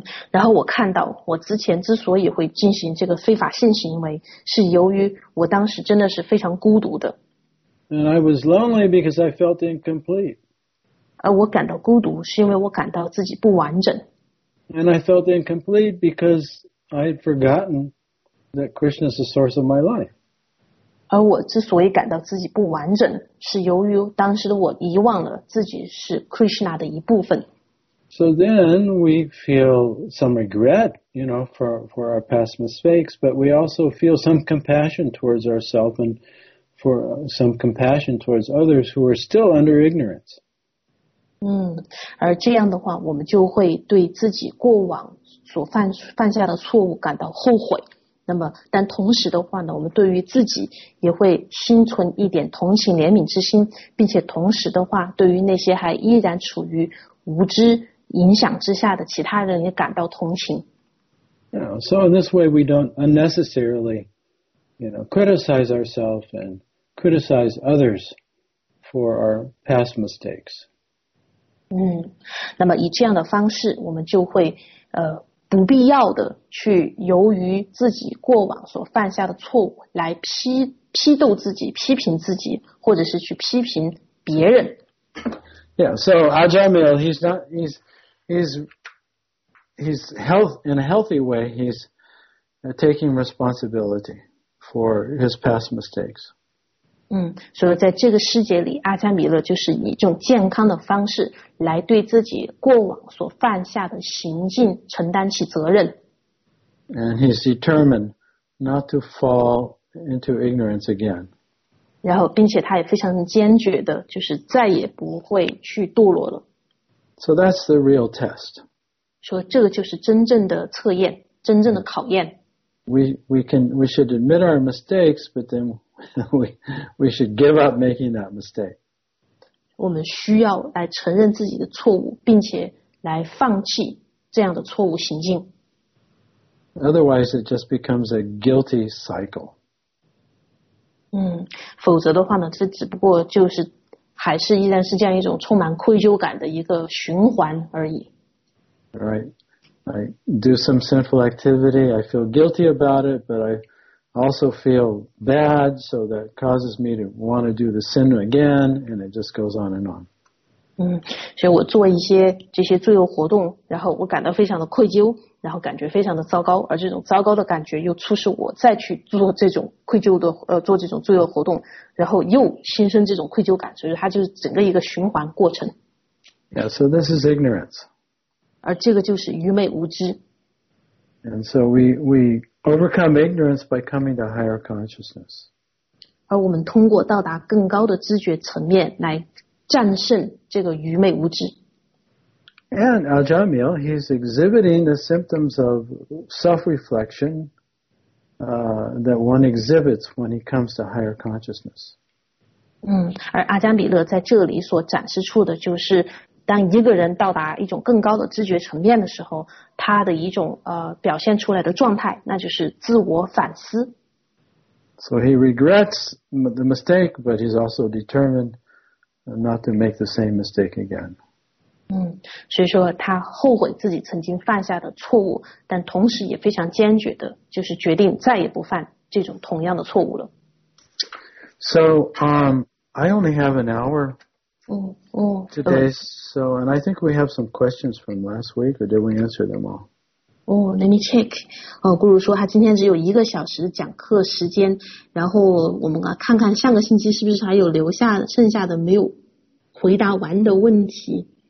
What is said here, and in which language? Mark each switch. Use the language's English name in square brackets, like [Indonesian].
[Chinese] 然后我看到我之前之所以会进行这个非法性行为，是由于我当时真的是非常孤独的。 [English] And I was lonely because I felt incomplete. [Chinese] 而我感到孤独是因为我感到自己不完整。 [English] And I felt incomplete because I had forgotten that Krishna is the source of my life. [Chinese] 而我之所以感到自己不完整，是由于当时的我遗忘了自己是 Krishna 的一部分。 [English] So then we feel some regret, you know, for our past mistakes, but we also feel some compassion towards ourselves and for some compassion towards others who are still under ignorance. [Chinese] 而这样的话，我们就会对自己过往所犯下的错误感到后悔。那么，但同时的话呢，我们对于自己也会心存一点同情怜悯之心，并且同时的话，对于那些还依然处于无知影响之下的其他人也感到同情。 [English] So in this way, we don't unnecessarily, you know, criticize ourselves and criticize others for our past mistakes. [Chinese] 那么以这样的方式，我们就会不必要的去由于自己过往所犯下的错误来批斗自己，批评自己，或者是去批评别人。 [English] Yeah, so Ajamil, he's in a healthy way. He's taking responsibility for his past mistakes. [Chinese] 所以在这个世界里，阿加米勒就是以这种健康的方式来对自己过往所犯下的行径承担起责任。 [English] And he's determined not to fall into ignorance again. [Chinese] 然后，并且他也非常坚决的，就是再也不会去堕落了。 [English] So that's the real test. [Chinese] 说这个就是真正的测验，真正的考验。 [English] We should admit our mistakes, but then we should give up making that mistake. [Chinese] 我们需要来承认自己的错误，并且来放弃这样的错误行径。 [English] Otherwise, it just becomes a guilty cycle. [Chinese] 否则的话呢，这只不过就是还是依然是这样一种充满愧疚感的一个循环而已。 [English] Right. I do some sinful activity, I feel guilty about it, but I also feel bad, so that causes me to want to do the sin again, and it just goes on and on. [Chinese] 所以我做一些这些罪恶活动，然后我感到非常的愧疚，然后感觉非常的糟糕，而这种糟糕的感觉又促使我再去做这种愧疚的，做这种罪恶活动，然后又新生这种愧疚感，所以它就是整个一个循环过程。 [English] Yeah, so this is ignorance. [Chinese] 而这个就是愚昧无知。 [English] And so we overcome ignorance by coming to higher consciousness. [Chinese] 而我们通过到达更高的知觉层面来战胜这个愚昧无知。 [English] And Ajamil, he's exhibiting the symptoms of self-reflection, that one exhibits when he comes to higher consciousness. [Chinese] 而阿加米勒在这里所展示出的就是当一个人到达一种更高的知觉层面的时候，他的一种表现出来的状态，那就是自我反思。 [English] So he regrets the mistake, but he's also determined not to make the same mistake again. [Chinese] 所以说他后悔自己曾经犯下的错误，但同时也非常坚决的，就是决定再也不犯这种同样的错误了。 [English] So, I only have an hour. Today, so, and I think we have some questions from last week, or did we answer them all? Let me check. [Chinese] Guru 说他今天只有一个小时的讲课时间，然后我们看看上个星期是不是还有留下剩下的没有回答完的问题。